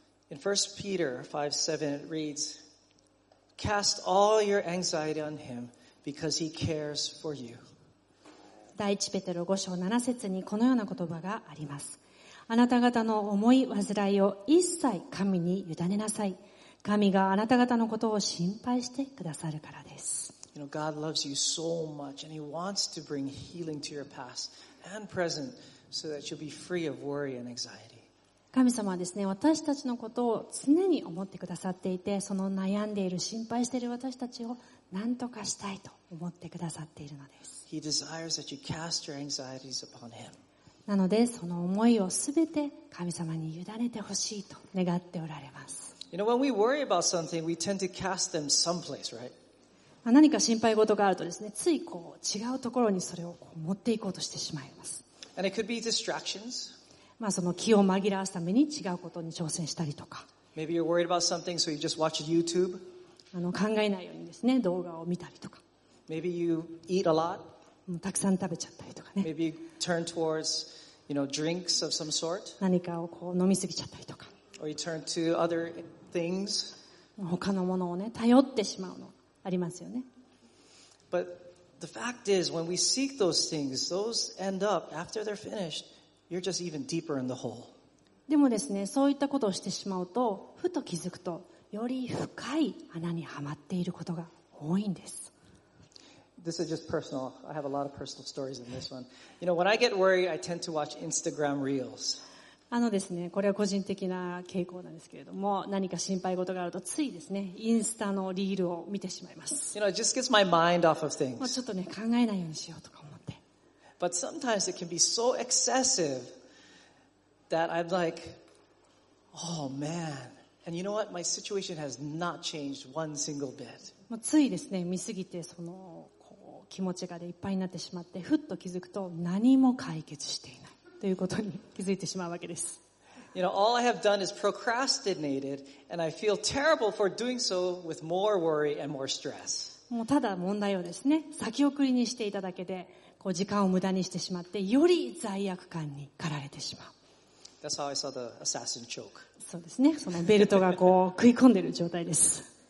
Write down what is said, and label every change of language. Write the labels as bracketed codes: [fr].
[en] In 1 Peter 5, 7, it reads, Cast all your anxiety on Him because He cares for you. [ja] 第1ペテロ5章7節にこのような言葉があります。あなた方の思い煩いを一切神に委ねなさい。神があなた方のことを心配してくださるからです。 [en] You know, God loves you so much and He wants to bring healing to your past and present so that you'll be free of worry and anxiety. [ja] 神様はですね、私たちのことを常に思ってくださっていて、その悩んでいる、心配している私たちを何とかしたいと思ってくださっているのです。 [en] He desires that you cast your anxieties upon him. [ja] なので、その思いをすべて神様に委ねてほしいと願っておられます。 [en] You know, when we worry about something, we tend to cast them someplace, right? [ja] 何か心配事があるとですね、ついこう違うところにそれをこう持っていこうとしてしまいます。 [en] And it could be distractions. [ja] まあその気を紛らわすために違うことに挑戦したりとか。 [en] Maybe you're worried about something, so you just watch YouTube. [ja] 考えないようにですね、動画を見たりとか。 [en] Maybe you eat a lot. [ja] もうたくさん食べちゃったりとかね。 [en] Maybe you turn towards, you know, drinks of some sort. [ja] 何かをこう飲みすぎちゃったりとか。 [en] Or you turn to other things. [ja] 他のものをね、頼ってしまうの。ありますよね。 [en] But the fact is, when we seek those things, those end up after they're finished, you're just even deeper in the hole. [ja] でもですね、そういったことをしてしまうと、ふと気づくと、より深い穴にはまっていることが多いんです。 [en] This is just personal. I have a lot of personal stories in this one. You know, when I get worried, I tend to watch Instagram reels. [ja] ですね、これは個人的な傾向なんですけれども、何か心配事があるとついですね、インスタのリールを見てしまいます。 [en] You know, it just gets my mind off of things. [ja] もうちょっとね、考えないようにしようとか思って。 [en] But sometimes it can be so excessive that I'm like, oh man. And you know what? My situation has not changed one single bit. [ja] もうついですね、見すぎてそのこう気持ちがでいっぱいになってしまって、ふっと気づくと何も解決していない。ということに気づいてしまうわけです。 [en] You know, all I have done is procrastinated, and I feel terrible for doing so with more worry and more stress. [ja] もうただ問題をですね、先送りにしていただけで、こう時間を無駄にしてしまって、より罪悪感に駆られてしまう。 [en] That's how I saw the assassin choke. [ja] そうですね、そのベルトがこう食い込んでる状態です。